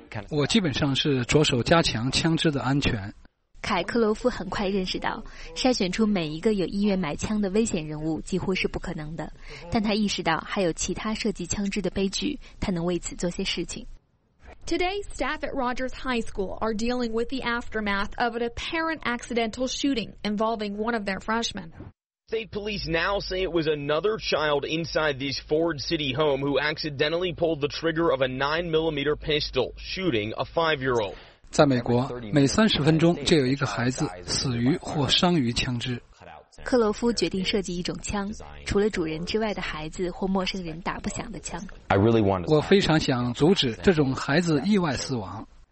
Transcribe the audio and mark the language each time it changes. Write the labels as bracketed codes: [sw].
[zh] 我基本上是着手加强枪支的安全。凯克罗夫很快认识到，筛选出每一个有意愿买枪的危险人物几乎是不可能的，但他意识到还有其他涉及枪支的悲剧，他能为此做些事情。 [en] Today, staff at Rogers High School are dealing with the aftermath of an apparent accidental shooting involving one of their freshmen. State police now say it was another child inside this Ford City home who accidentally pulled the trigger of a 9mm pistol, shooting a 5-year-old. [zh] 在美国，每30分钟就有一个孩子死于或伤于枪支。克罗夫决定设计一种枪，除了主人之外的孩子或陌生人打不响的枪。我非常想阻止这种孩子意外死亡。